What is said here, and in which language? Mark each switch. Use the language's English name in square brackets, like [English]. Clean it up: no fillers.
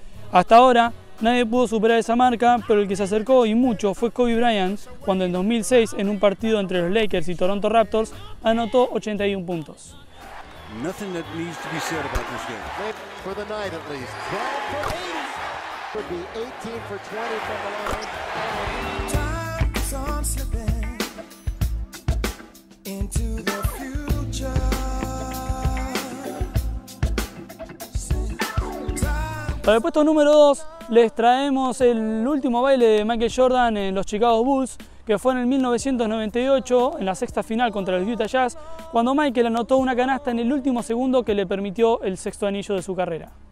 [Spanish] Hasta ahora, nadie pudo superar esa marca, pero el que se acercó y mucho fue Kobe Bryant, cuando en 2006, en un partido entre los Lakers y Toronto Raptors, anotó 81 puntos. [English] Nothing that needs to be said about this game. For the night at least. Could be 18 for 20 from the line. Time's on slipping into the future. [Spanish] Para el puesto número 2 les traemos el último baile de Michael Jordan en los Chicago Bulls, que fue en el 1998, en la sexta final contra los Utah Jazz, cuando Michael anotó una canasta en el último segundo que le permitió el sexto anillo de su carrera.